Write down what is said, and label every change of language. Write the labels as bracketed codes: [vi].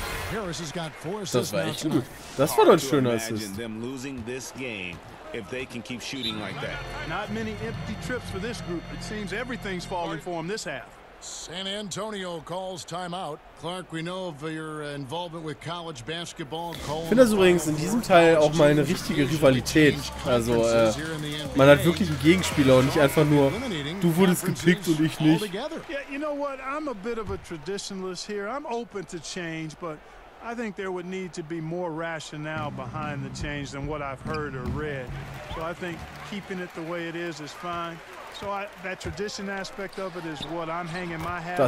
[en] Harris has got four assists. [de] Das war doch schöner Assist. [en] Them losing this game. If they can keep shooting like that. Not many empty trips for this group. It seems everything's falling for them this half. San Antonio calls timeout. Clark, we know of your involvement with college basketball. [de] Ich finde das übrigens in diesem Teil auch mal eine richtige Rivalität. Also, man hat wirklich einen Gegenspieler und nicht einfach nur, du wurdest gepickt und ich nicht. [en] Yeah, you know what? I'm a bit of a traditionalist here. I'm open to change, but I think there would need to be more rationale behind the change than what I've heard or read. So I think keeping it the way it is fine. So I, that tradition aspect of it is what I'm hanging my hat on.